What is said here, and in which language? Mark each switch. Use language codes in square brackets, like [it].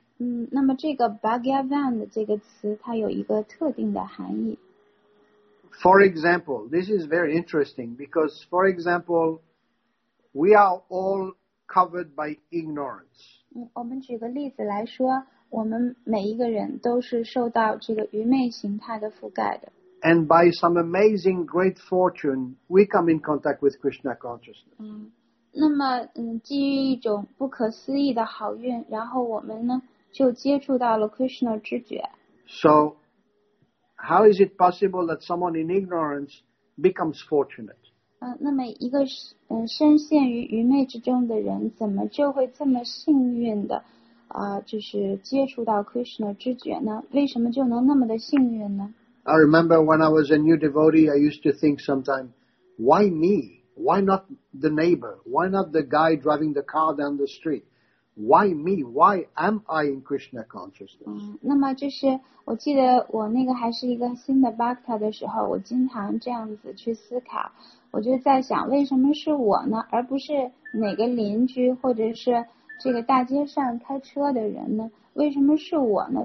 [zh] 那么这个 Bhagyavan 的这个词，它有一个特定的含义。 [en] For example, this is very interesting because, for example, we are all covered by ignorance. [zh] 我们举个例子来说。我们每一个人都是受到这个愚昧形态的覆盖的。 [en] And by some amazing great fortune, we come in contact with Krishna consciousness. [zh] 那么基于一种不可思议的好运，然后我们呢就接触到了 Krishna 知觉。 [en] So, how is it possible that someone in ignorance becomes fortunate? [zh] 那么一个深陷于愚昧之中的人，怎么就会这么幸运的？就是接触到 Krishna 知觉呢，为什么就能那么的幸运呢 [en] ？I remember when I was a new devotee, I used to think sometimes, why me? Why not the neighbor? Why not the guy driving the car down the street? Why me? Why am I in Krishna consciousness? [zh] 那么就是我记得我那个还是一个新的 Bhakta 的时候，我经常这样子去思考，我就在想，为什么是我呢，而不是哪个邻居或者是？这个大街上开车的人呢，为什么是我呢？